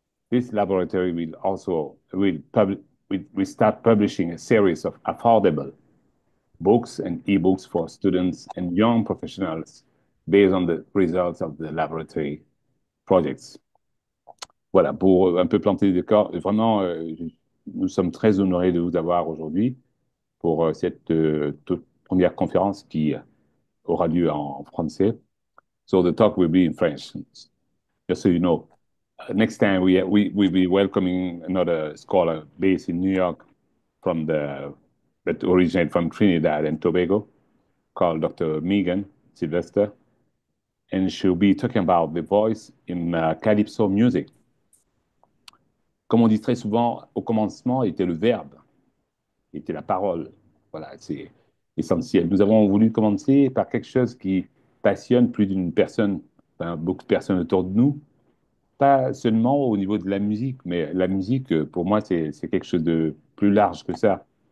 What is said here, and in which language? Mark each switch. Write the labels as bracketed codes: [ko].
[en] This laboratory will also will pub we start publishing a series of affordable books and e-books for students and young professionals based on the results of the laboratory projects. [fr] Voilà, pour un peu planter le décor, vraiment, nous sommes très honorés de vous avoir aujourd'hui pour cette toute première conférence qui aura lieu en français. [en] So the talk will be in French, just so you know. Next time we will be welcoming another scholar based in New York from that originated from Trinidad and Tobago, called Dr. Megan Sylvester, and she'll be talking about the voice in calypso music. [fr] Comme on dit très souvent, au commencement, était le verbe, était la parole. Voilà, c'est essentiel. Nous avons voulu commencer par quelque chose qui passionne plus d'une personne, enfin, beaucoup de personnes autour de nous. Pas seulement au niveau de la musique, mais la musique, pour moi, c'est quelque chose de plus large que ça.